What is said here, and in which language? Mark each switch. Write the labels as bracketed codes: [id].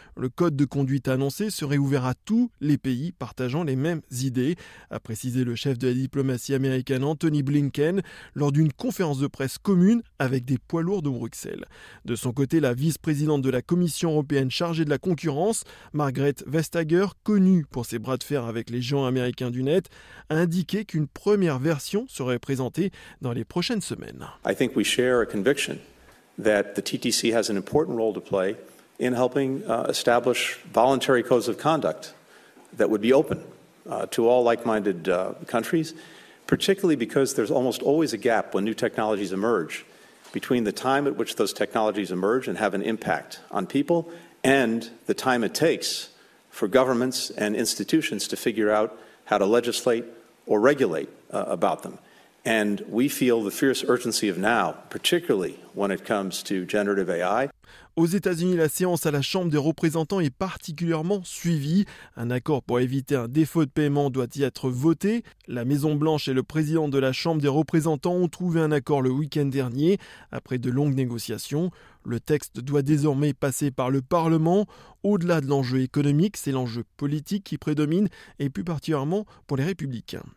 [fr] Le code de conduite annoncé serait ouvert à tous les pays partageant les mêmes idées, a précisé le chef de la diplomatie américaine Anthony Blinken lors d'une conférence de presse commune avec des poids lourds de Bruxelles. De son côté, la vice-présidente de la Commission européenne chargée de la concurrence, Margrethe Vestager, connue pour ses bras de fer avec les géants américains du net, a indiqué qu'une première version serait présentée dans les prochaines semaines. [en] I think we share a conviction that the TTC has an important role to play in helping establish voluntary codes of conduct that would be open to all like-minded countries, particularly because there's almost always a gap when new technologies emerge between the time at which those technologies emerge and have an impact on people and the time it takes for governments and institutions to figure out how to legislate or regulate about them. And we feel the fierce urgency of now, particularly when it comes to generative AI. [fr] Aux États-Unis, la séance à la Chambre des représentants est particulièrement suivie. Un accord pour éviter un défaut de paiement doit y être voté. La Maison-Blanche et le président de la Chambre des représentants ont trouvé un accord le week-end dernier, après de longues négociations. Le texte doit désormais passer par le Parlement. Au-delà de l'enjeu économique, c'est l'enjeu politique qui prédomine, et plus particulièrement pour les Républicains.